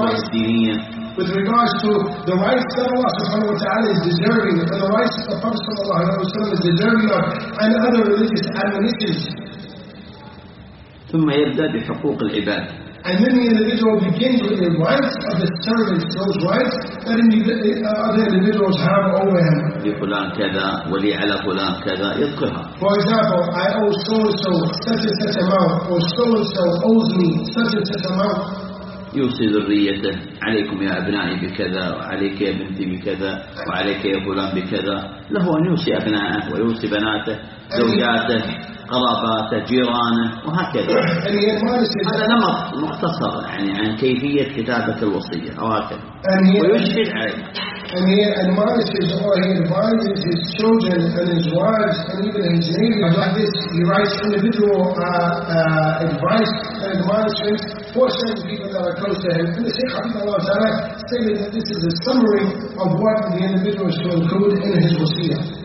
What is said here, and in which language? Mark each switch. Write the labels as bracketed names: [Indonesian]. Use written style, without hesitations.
[English] with regards to the rights that Allah subhanahu wa ta'ala is deserving and the rights that the Prophet sallallahu alayhi wa sallam is deserving of and other religious admonitions. [Arabic] ثم يبدأ بحقوق العباد. [English] And then the individual begins with the rights of the servants, those rights that other individuals have over him. [Arabic] لفلان كذا ولي على فلان كذا يذكرها. [English] For example, I owe so and so such and such amount, or so and so owes me such and such amount. [Arabic] يوصي ذريته عليكم يا أبنائي بكذا وعليك يا بنتي بكذا وعليك يا فلان بكذا. له أن يوصي أبنائه ويوصي بناته زوجاته قراباته جيرانه وهكذا. هذا نمط مختصر يعني عن كيفية كتابة الوصية وهكذا ويشهد عليه. [English] And he admonishes or he advises his children and his wives and even his neighbors like this. He writes individual advice and admonishments for certain people that are close to him. And the Shaykh Habibullah Ta'ala stated that this is a summary of what the individual is to include in his wasiyah.